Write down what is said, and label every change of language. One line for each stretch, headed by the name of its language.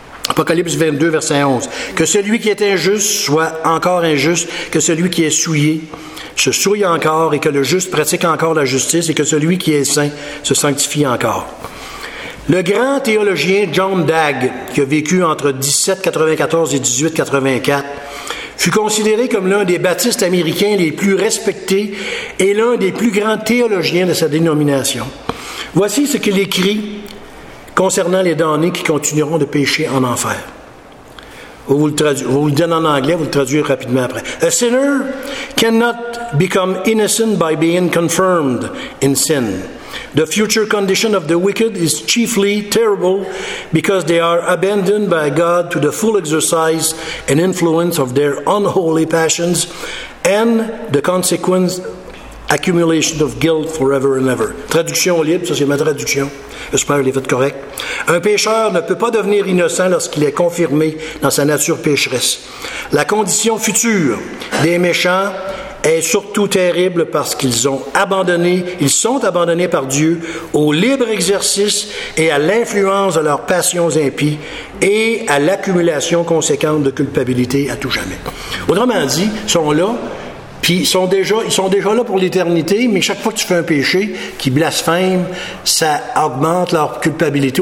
French: Apocalypse 22, verset 11. « Que celui qui est injuste soit encore injuste, que celui qui est souillé se souille encore, et que le juste pratique encore la justice, et que celui qui est saint se sanctifie encore. » Le grand théologien John Dagg, qui a vécu entre 1794 et 1884, fut considéré comme l'un des baptistes américains les plus respectés et l'un des plus grands théologiens de sa dénomination. Voici ce qu'il écrit concernant les damnés qui continueront de pécher en enfer. Vous le donnez en anglais, vous le traduirez rapidement après.
English: « A sinner cannot become innocent by being confirmed in sin. The future condition of the wicked is chiefly terrible because they are abandoned by God to the full exercise and influence of their unholy passions and the consequence accumulation of guilt forever and ever. »
French: Traduction libre, ça c'est ma traduction. J'espère que je l'ai faite correcte. « Un pécheur ne peut pas devenir innocent lorsqu'il est confirmé dans sa nature pécheresse. La condition future des méchants est surtout terrible parce qu'ils sont abandonnés par Dieu au libre exercice et à l'influence de leurs passions impies et à l'accumulation conséquente de culpabilité à tout jamais. » Autrement dit, ils sont là, puis ils sont déjà là pour l'éternité, mais chaque fois que tu fais un péché qui blasphème, ça augmente leur culpabilité.